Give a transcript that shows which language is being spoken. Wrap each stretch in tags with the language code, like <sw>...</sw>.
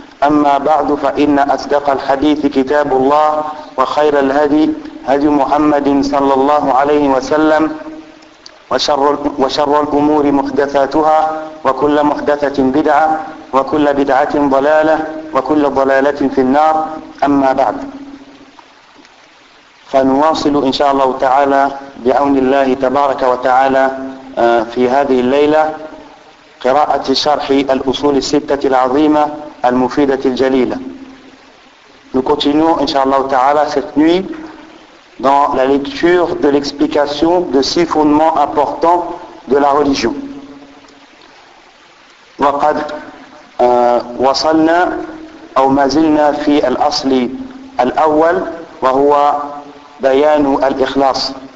<ar>أما بعد، فإن أصدق الحديث كتاب الله وخير الهدي هدي محمد صلى الله عليه وسلم، وشر الأمور محدثاتها، وكل محدثة بدعة، وكل بدعة ضلالة، وكل ضلالة في النار. أما بعد، فنواصل إن شاء الله تعالى بعون الله تبارك وتعالى في هذه الليلة قراءة شرح الأصول الستة العظيمة المفيدة الجليلة. نكتنون إن شاء الله تعالى</ar> <fr>cette nuit dans la lecture de l'explication de six fondements importants de la religion.</fr> <ar>وقد وصلنا أو ما زلنا في الأصل الأول، وهو بيان الإخلاص.</ar>